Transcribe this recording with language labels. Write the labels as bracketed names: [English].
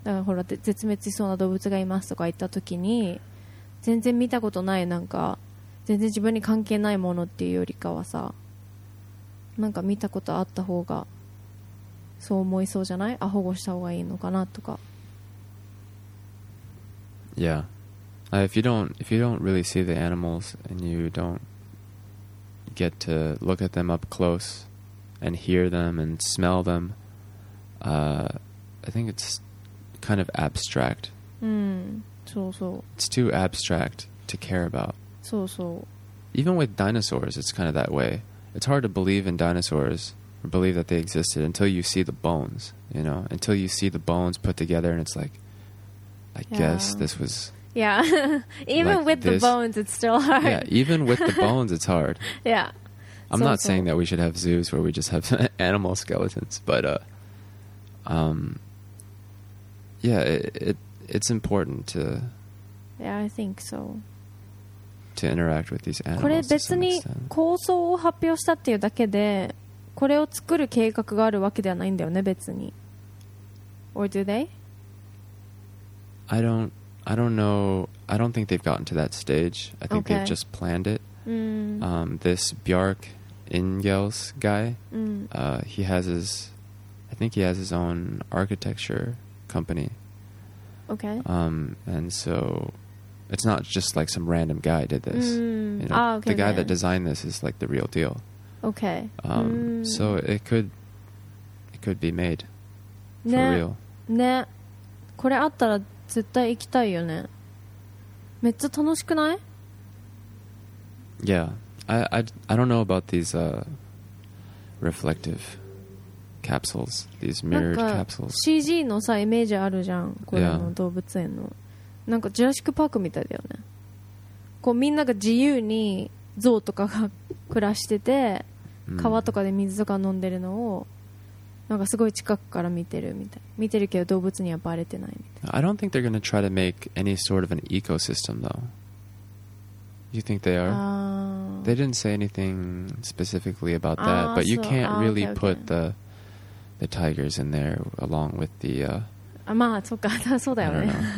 [Japanese] だからほら絶滅しそうな動物がいますとか言った時に全然見たことない、なんか全然自分に関係ないものっていうよりかはさ、なんか見たことあった方がそう思いそうじゃない？あ、保護した方がいいのかなとか。 [English] Yeah, if you don't really see the animals and you don't get to look at them up close and hear them and smell them, I think it's kind of abstract. [Japanese] そうそう。 [English] It's too abstract to care about. [Japanese] そうそう。 [English] Even with dinosaurs, it's kind of that way. It's hard to believe in dinosaurs or believe that they existed until you see the bones, you know? Until you see the bones put together and it's like, I guess this was... Yeah, even like with this, the bones, it's still hard. Yeah, even with the bones, it's hard. Yeah. I'm so, not so. Saying that we should have zoos where we just have animal skeletons, but yeah, it's important to... Yeah, I think so. To interact with these animals to some extent. [Japanese] これ別に構想を発表したっていうだけで、これを作る計画があるわけではないんだよね、別に。 [English] Or do they? I don't know. I don't think they've gotten to that stage. I think they've just planned it. This Bjark Ingels guy, he has his, I think he has his own architecture company. And so it's not just like some random guy did this. The guy that designed this is like the real deal. So it could be made for real. [Japanese] ね、これあったら絶対行きたいよね。めっちゃ楽しくない？ [English] Yeah, I don't know about these reflective capsules, these mirrored capsules. [Japanese] CG のさイメージあるじゃん、これの動物園の。なんかジュラシックパークみたいだよね。こうみんなが自由に象とかが暮らしてて、川とかで水とか飲んでるのをなんかすごい近くから見てるみたい。見てるけど動物にはバレてないみたい。 [English] I don't think they're gonna try to make any sort of an ecosystem though. You think they are? They didn't say anything specifically about that, but you can't really put the tigers in there along with the [Japanese] まあそっか、そうだよね。